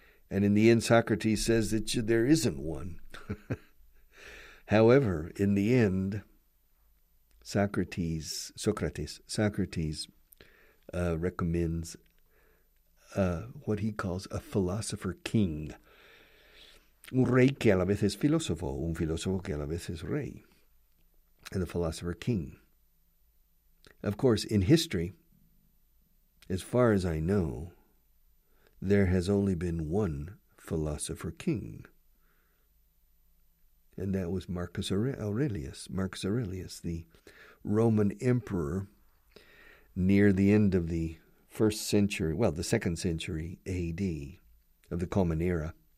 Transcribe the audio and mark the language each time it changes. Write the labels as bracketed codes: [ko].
[en] And in the end, Socrates says that there isn't one. However, in the end, Socrates recommends what he calls a philosopher king. [es] Un rey que a la vez es filósofo, un filósofo que a la vez es rey. [en] And the philosopher king. Of course, in history, as far as I know, there has only been one philosopher king. And that was Marcus Aurelius, the Roman emperor near the end of the second century AD of the Common Era.